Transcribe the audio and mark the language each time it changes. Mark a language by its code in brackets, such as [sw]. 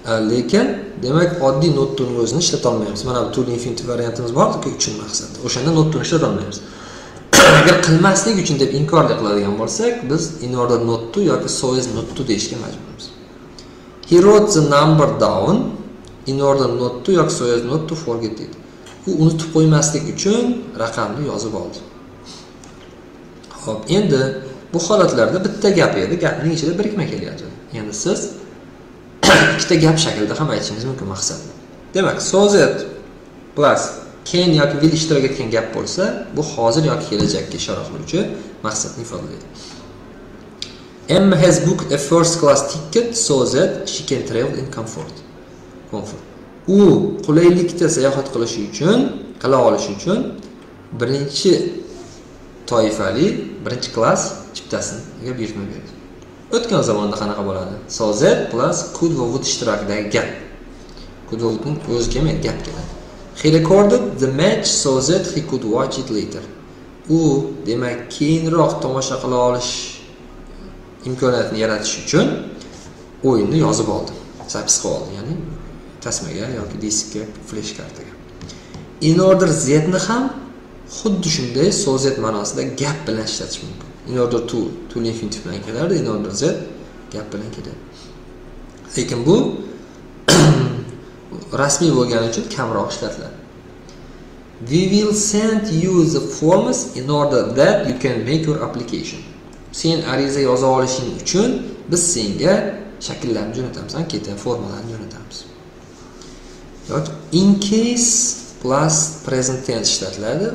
[uz] Lekin demak oddiy not to'ning o'zini ishlata olmaymiz. Mana bu to infinitive variantimiz bor, lekin uchun maqsad. O'shanda not to'ni ishlata olmaymiz. Agar qilmaslik uchun deb inkor qiladigan bo'lsak, biz in order not to yoki so as not to deyishga majburmiz. [en] He wrote the number down in order not to [uz] yoki [en] so as not to forget it. [uz] U unutib qo'ymaslik uchun raqamni yozib oldi. Xo'p, endi bu holatlarda bitta gap edi, gapning ichida birikma kelyapti. Endi siz ikkita gap shaklida ham aytishingiz mumkin maqsadni. Demak, so that plus Can yoki will ishtirok etgan gap bo'lsa, bu hozir yoki kelajakka ishora qiluvchi maqsadni ifodalaydi. [en] Emma has booked a first class ticket so that she can travel in comfort. [uz] Comfort. U qulaylikda sayohat qilish uchun, qila olish uchun birinchi toifali, birinchi klass chiptasiga buyurtma berdi. O'tgan zamonda qanaqa bo'ladi? So that plus could va would ishtirokidagi gap. Could va would'ning o'ziga emas, gap keladi. [en] He recorded the match so that he could watch it later. [uz] U demak keyinroq tomosha qila olish imkoniyatini yaratish uchun o'yinni yozib oldi. Zapiska oldi, ya'ni tasmaga yoki diskka, flash kartaga. In order z-ni ham xuddi shunday so that ma'nosida gap bilan ishlatish mumkin. In order to, to'ning infinitiv bilan keladi, in order z gap bilan keladi. Lekin bu rasmiy bo'lgani uchun kamroq ishlatiladi. [en] We will send you the forms in order that you can make your application. [uz] Sen ariza yoza olishing uchun biz senga shakllarni jo'natamiz, anketa formalarini jo'natamiz. Yot in case plus present tense ishlatiladi.